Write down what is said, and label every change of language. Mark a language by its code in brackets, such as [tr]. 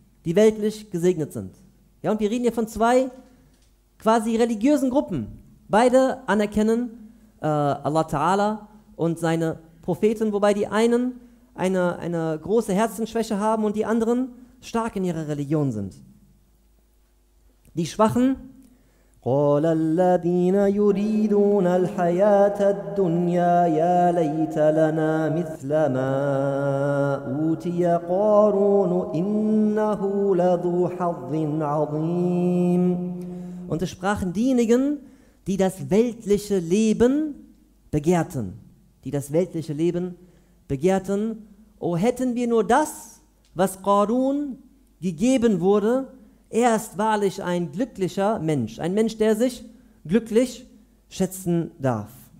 [de] Die weltlich gesegnet sind. Ja, und wir reden hier von zwei quasi religiösen Gruppen. Beide anerkennen Allah Ta'ala und seine Propheten, wobei die einen eine große Herzensschwäche haben und die anderen stark in ihrer Religion sind. Die Schwachen, [ar] قال الذين يريدون الحياة الدنيا يا ليت لنا مثل ما أوتي قارون إنه لذو حظ عظيم. [de] Und es sprachen diejenigen, die das weltliche Leben begehrten, die das weltliche Leben begehrten. O, hätten wir nur das, was Qarun gegeben wurde. Er ist wahrlich ein glücklicher Mensch, ein Mensch, der sich glücklich schätzen darf.